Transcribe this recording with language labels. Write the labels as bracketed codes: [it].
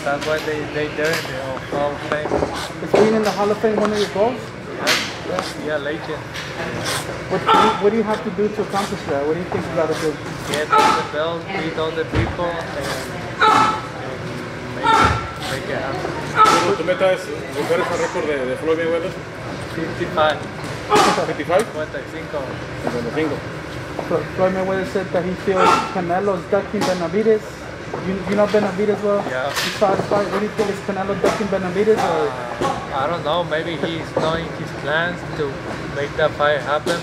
[en] That's why they there in the Hall of Fame. Is being in the Hall of Fame one of your goals? Yeah, legend. What do you have to do to accomplish that? What do you think you gotta do? Get all the bells, beat all the people, and make it happen. [es] ¿Tu meta es romper ese récord de Floyd Mayweather? [en] 55. 55? 55. Floyd Mayweather said that he feels Canelo's ducking Benavidez. You know Benavidez well? Yeah. You saw his fight. What do you think? Is Canelo ducking Benavidez? I don't know. Maybe he's knowing his plans to make that fight happen.